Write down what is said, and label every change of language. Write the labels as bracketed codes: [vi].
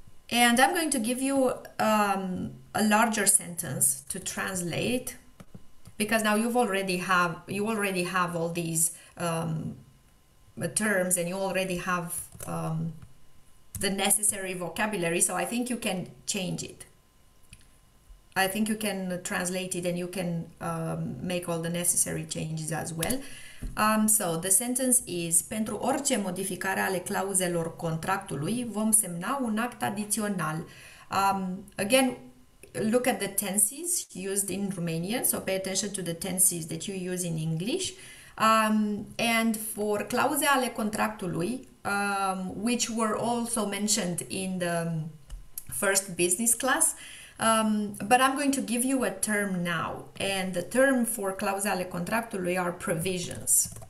[en] And I'm going to give you a larger sentence to translate, because now you already have all these terms and you already have the necessary vocabulary, so I think you can change it. I think you can translate it and you can make all the necessary changes as well. So the sentence is: [ro] pentru orice modificare ale clauzelor contractului vom semna un act adițional. [en] Again, look at the tenses used in Romanian, so pay attention to the tenses that you use in English. And for [ro] clauze ale contractului, [en] which were also mentioned in the first business class, but I'm going to give you a term now, and the term for clauze ale contractului are provisions.